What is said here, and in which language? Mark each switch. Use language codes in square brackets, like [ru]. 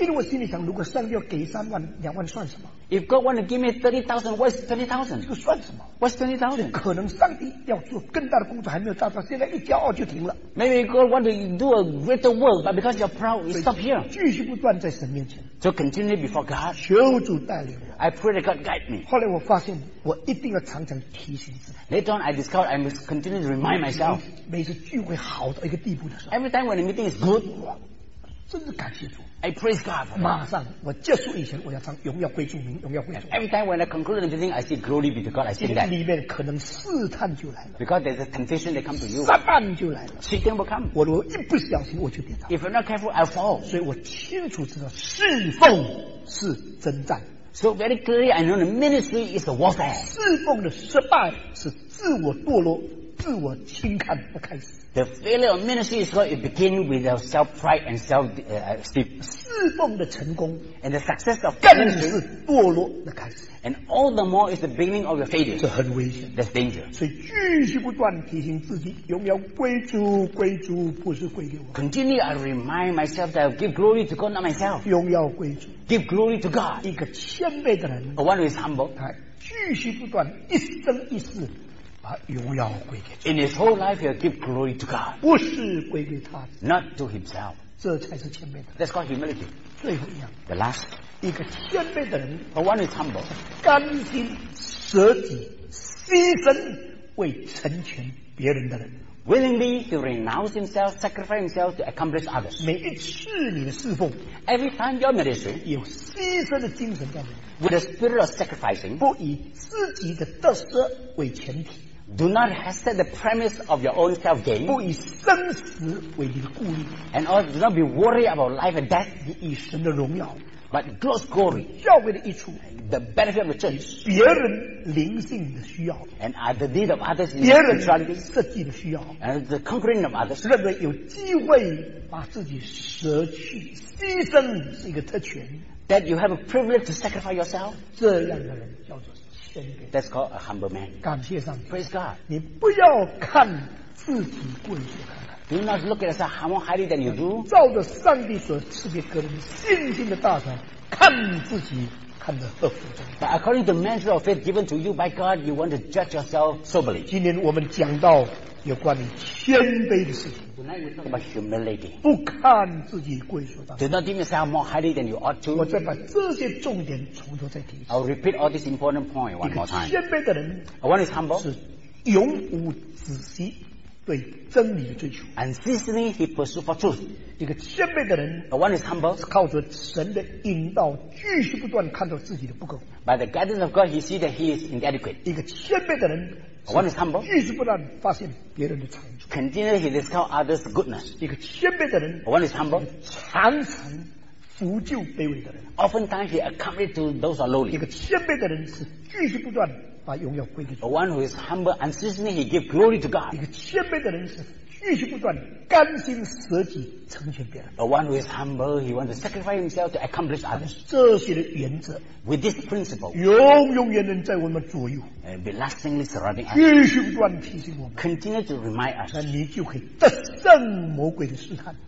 [zh] 因为我心里想，如果上帝要给三万、两万，算什么？ [en] If God want to give me 30,000, what's 20,000? [zh] 这个算什么？ [en] What's 20,000? [zh] 可能上帝要做更大的工作，还没有达到，现在一骄傲就停了。 [en] Maybe God want to do a greater work, but because you're proud, you stop here. [zh] 继续不断在神面前。 [en] So continue before God. [zh] 求主带领我。 [en] I pray that God guide me. [zh] 后来我发现。我一定要常常提醒自己。 [en] Later on, I discovered I must continue to remind myself. [zh] 每次聚会好到一个地步的时候。 [en] Every time when the meeting is good, [zh] 真是感谢主。 [en] I praise God. [zh] 马上，我结束以前，我要唱荣耀归主名，荣耀归主。 [en] Every time when I conclude the meeting, I say glory be to God. I say that. [zh] 里面可能试探就来了。 [en] Because there's a temptation that comes to you. [zh] 撒旦就来了。 [en] Satan will come. [zh] 我如果一不小心，我就跌倒。 [en] If I'm not careful, I'll fall. [zh] 所以我清楚知道，侍奉是征战。 [en] So very clearly, I know the ministry is a warfare. [zh] 侍奉的失败是自我堕落、自我轻看的开始。 [en] The failure of ministry is where it begins with self pride and self esteem. [zh] 侍奉的成功 [en] and the success of [zh] 更是堕落的开始。 [en] And all the more is the beginning of your failure. [zh] 这很危险。 [en] That's danger. [zh] 所以继续不断提醒自己，荣耀归主，归主不是归给我。 [en] Continue, I remind myself that I give glory to God, not myself. [zh] 荣耀归主。 [en] Give glory to God. [zh] 一个谦卑的人 [en] ，a one who is humble， [zh] 他继续不断一生一世。把荣耀归给主。 [en] In his whole life, he'll give glory to God. [zh] 不是归给他。 [en] Not to himself. [zh] 这才是谦卑的。 [en] That's called humility. [zh] 最后一样。 [en] The last. [zh] 一个谦卑的人。 [en] A one is humble. [zh] 甘心舍己牺牲为成全别人的人。 [en] Willingly to renounce himself, sacrifice himself to accomplish others. [zh] 每一次你的侍奉。 [en] Every time your ministry. [zh] 有牺牲的精神在里面。 [en] With a spirit of sacrificing. [zh] 不以自己的得失为前提。 [en] Do not set the premise of your own self gain. [zh] 不以生死为你的顾虑。 [en] And also do not be worried about life and death. [zh] 你以神的荣耀。 [en] But God's glory. [zh] 教会的益处。 [en] The benefit of the church. [zh] 别人灵性的需要。 [en] And the need of others. [zh] 别人设计的需要。 [en] And the conquering of others. [zh] 认为有机会把自己舍去牺牲是一个特权。 [en] That you have a privilege to sacrifice yourself. [zh] 这样的人叫做。 [en] That's called a humble man. [zh] 感谢上帝。 [en] Praise God. [zh] 你不要看自己过于看看。 [en] Do not look at yourself more highly than you do. [zh] 照着上帝所赐给个人信心的大小，看自己看得合乎中。 [en] But according to the measure of faith given to you by God, you want to judge yourself soberly. [zh] 今天我们讲到有关于谦卑的事情。 [en] About humility. [zh] 不看自己贵属的。 [en] Do not deem yourself more highly than you ought to. [zh] 我再把这些重点从头再提醒。 [en] I'll repeat all these important points one more time. [zh] 谦卑的人 [en] ，one is humble， [zh] 是永无止息对真理的追求。 [en] Unceasingly he pursues for truth. [zh] 一个谦卑的人 [en] ，one is humble， [zh] 是靠着神的引导，继续不断看到自己的不够。 [en] By the guidance of God, he sees that he is inadequate. [zh] 一个谦卑的人。 [en] One is humble. [zh] 继续不断发现别人的长处。 [en] Continue to discover others' goodness. [zh] 一个谦卑的人。 [en] One is humble. [zh] 常常扶救卑微的人。 [en] Oftentimes he accompanies to those who are lowly. [zh] 一个谦卑的人是继续不断把荣耀归给主。 [en] One who is humble and unceasingly he gives glory to God. [zh] 一个谦卑的人是继续不断甘心舍己成全别人。 [en] A one who is humble he wants to sacrifice himself to accomplish others. [zh] 这些的原则。 [en] With this principle. [zh] 永永远远在我们左右。 [en] Be lastingly surrounding us. [zh] 继续不断提醒我们。 [en] Continue to remind us. [zh] 那你就可以得胜魔鬼的试探。